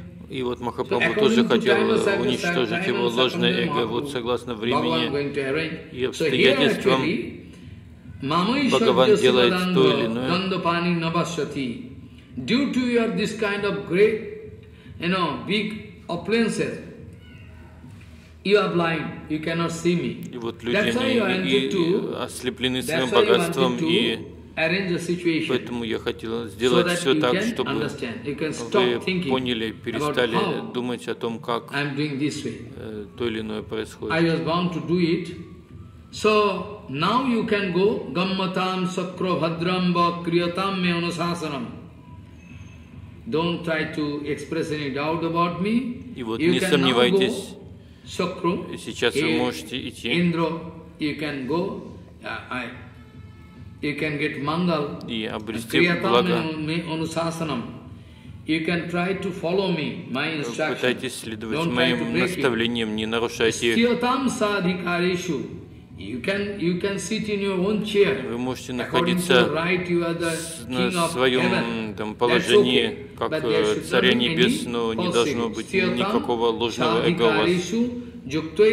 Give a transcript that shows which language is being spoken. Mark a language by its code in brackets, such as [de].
[ru] И вот Махапрабху тоже хотел уничтожить его ложное эго. Вот согласно времени и обстоятельствам Бхагаван делает то или иное. [en] Due to your this kind of great, you know, big appliances, you are blind, you cannot see me. [ru] И вот люди ослеплены своим богатством, и поэтому я хотел сделать все так, чтобы вы поняли, перестали думать о том, как то или иное происходит. [en] I was bound to do it. So now you can go [sa] gammatam sakra bhadram va kriyatam me anusasanam. [en] Don't try to express any doubt about me. [ru] И вот не сомневайтесь. Сокру, сейчас вы можете идти. [en] Индро, you can go. You can get Mangal. [ru] И обрести благо. [sa] Anusasanam. [en] You can try to follow me, my instructions. [ru] Пытайтесь следовать моим наставлениям, не нарушайте. [sa] Стиотам садхикарешу. [en] You can sit in your own chair. [ru] Вы можете находиться [en] right, [ru] на своем там, положении, [en] okay, [ru] как царя небес, но не должно быть никакого ложного эго у вас.